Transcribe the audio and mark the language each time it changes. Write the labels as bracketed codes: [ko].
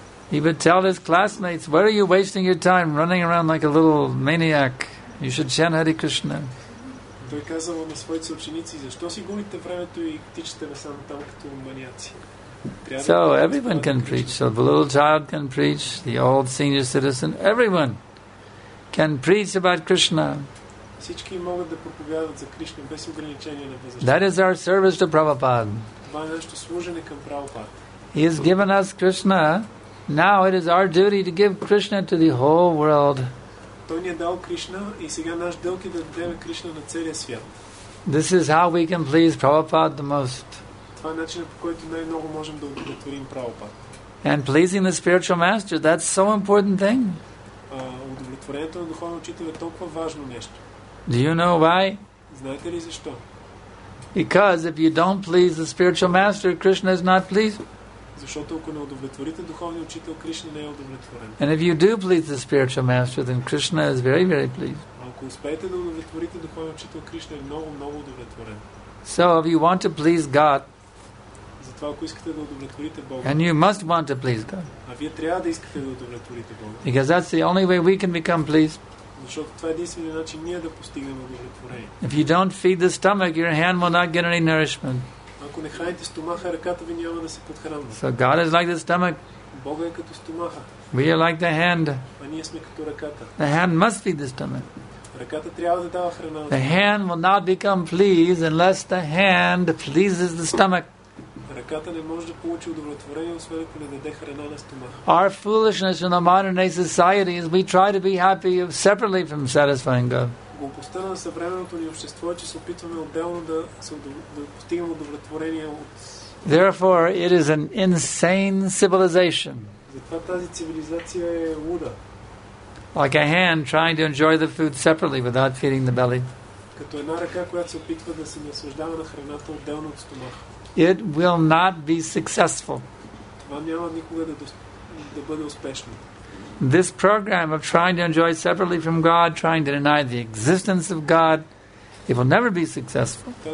[en] He would tell his classmates, where are you wasting your time running around like a little maniac? You should chant Hare Krishna. [bg] Той казал на своите ученици, защо си губите времето и тичате насам там като маниаци? [en] So everyone can preach. So the little child can preach, the old senior citizen, everyone can preach about Krishna. [bg] Всички могат да проповядват за Кришна без ограничение на възраст. [en] That is our service to Prabhupada. [bg] Това е нашето служене към Прабхупад. [en] He has given us Krishna. Now it is our duty to give Krishna to the whole world. [bg] Той ни е дал Кришна и сега наш дълг е да дадем Кришна на целия свят. [en] This is how we can please Prabhupada the most. [bg] Това е начинът, по който най-много можем да удовлетворим Прабхупада. [en] And pleasing the spiritual master, that's so important thing. [bg] Удовлетворението на духовния учител е толкова важно нещо. [en] Do you know why? [bg] Знаете ли защо? [en] Because if you don't please the spiritual master, Krishna is not pleased. [bg] Защото ако не удовлетворите духовния учител, Кришна не е удовлетворен. [en] And if you do please the spiritual master, then Krishna is very, very pleased. [bg] Ако успеете да удовлетворите духовния учител, Кришна е много, много удовлетворен. [en] So if you want to please God, [bg] затова ако искате да удовлетворите Бога, [en] and you must want to please God, [bg] а вие трябва да искате да удовлетворите Бога, [en] because that's the only way we can become pleased. [bg] Защото това е единственият начин ние да постигнем удовлетворение. [en] If you don't feed the stomach, your hand will not get any nourishment. [bg] Ако не храните стомаха, ръката ви няма да се подхранва. [en] So God is like the stomach. [bg] Бога е като стомаха. [en] We are like the hand. [bg] А ние сме като ръката. [en] The hand must feed the stomach. [bg] Ръката трябва да дава храна. [en] The hand will not become pleased unless the hand pleases the stomach. [bg] Ръката не може да получи удовлетворение, освен ако не даде храна на стомаха. [en] Our foolishness in the modern day society is we try to be happy separately from satisfying God. [bg] Глупостта на съвременното ни общество е, че се опитваме отделно да постигнем удовлетворение от. [en] Therefore, it is an insane civilization. [bg] Затова тази цивилизация е луда. [en] Like a hand trying to enjoy the food separately without feeding the belly. [bg] Като една ръка, която се опитва да се наслаждава на храната отделно от стомаха. [en] It will not be successful. [bg] Това няма никога да бъде успешно. [en] This program of trying to enjoy separately from God, trying to deny the existence of God, it will never be successful.